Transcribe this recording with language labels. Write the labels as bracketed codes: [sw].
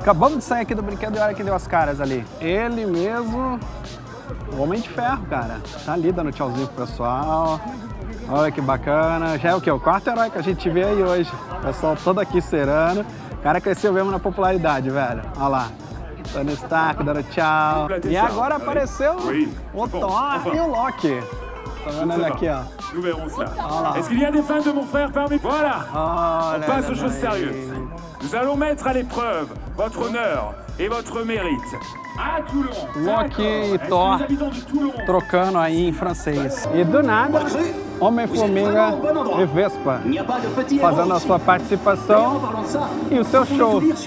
[pt] Acabamos de sair aqui do brinquedo e olha quem deu as caras ali. Ele mesmo, o Homem de Ferro, cara, tá ali dando tchauzinho pro pessoal, olha que bacana, já é o quê? O quarto herói que a gente vê aí hoje, o pessoal todo aqui serando, o cara cresceu mesmo na popularidade, velho, olha lá. Tony Stark, dando tchau. E agora apareceu o Thor e o Loki. Tá vendo ele aqui, ó. Olha lá. [fr] Est-ce qu'il y a des fans de mon frère parmi vous? Voilà. On passe aux choses sérieuses. Nous allons mettre à l'épreuve votre honneur et votre mérite. À Toulon. [pt] Loki e Thor trocando aí em francês. E do nada, Homem-Formiga e Vespa fazendo a sua participação e o seu show.